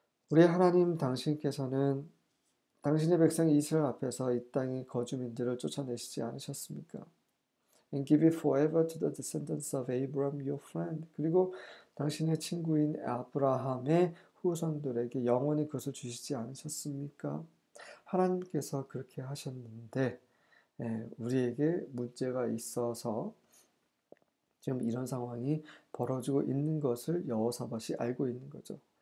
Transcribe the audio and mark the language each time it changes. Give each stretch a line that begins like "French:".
Korean: 우리 하나님 당신께서는 당신의 백성 이스라엘 앞에서 이 땅의 거주민들을 쫓아내시지 않으셨습니까?
English: And give it forever to the descendants of Abram, your friend.
Korean: 그리고 당신의 친구인 아브라함의 후손들에게 영원히 그것을 주시지 않으셨습니까? 하나님께서 그렇게 하셨는데, 우리에게 문제가 있어서 지금 이런 상황이 벌어지고 있는 것을 여호사밧이 알고 있는 거죠.